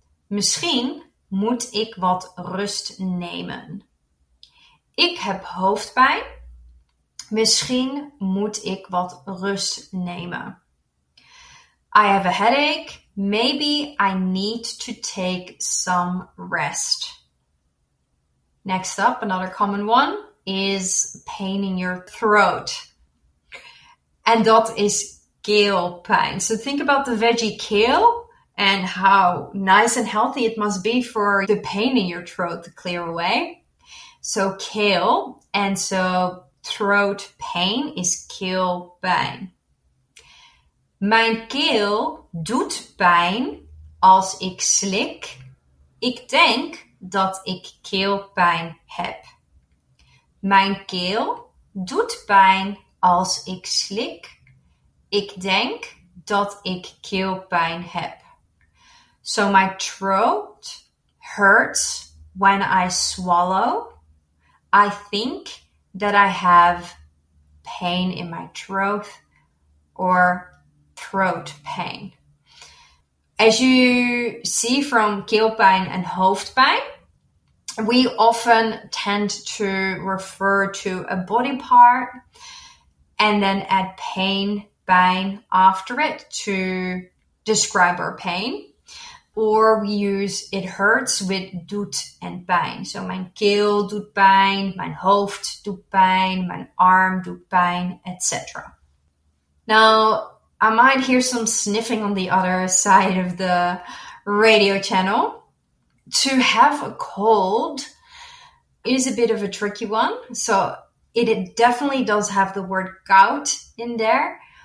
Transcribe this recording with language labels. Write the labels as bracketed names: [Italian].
[Dutch] Misschien moet ik wat rust nemen. Ik heb hoofdpijn. Misschien moet ik wat rust nemen. [English] I have a headache. Maybe I need to take some rest. Next up, another common one is pain in your throat. And that is keelpijn. So think about the veggie kale and how nice and healthy it must be for the pain in your throat to clear away. So kale, and so throat pain is keelpijn. [Dutch] Mijn keel doet pijn als ik slik. Ik denk dat ik keelpijn heb. Mijn keel doet pijn als ik slik. Ik denk dat ik keelpijn heb. [English] So my throat hurts when I swallow. I think that I have pain in my throat, or throat pain. As you see from keelpijn and hoofdpijn, we often tend to refer to a body part and then add pain pijn after it to describe our pain, or we use it hurts with doet and pijn. [Dutch] So mijn keel doet pijn, mijn hoofd doet pijn, mijn arm doet pijn, etc. [English] Now, I might hear some sniffing on the other side of the radio channel. To have a cold is a bit of a tricky one. So it definitely does have the word koud in there.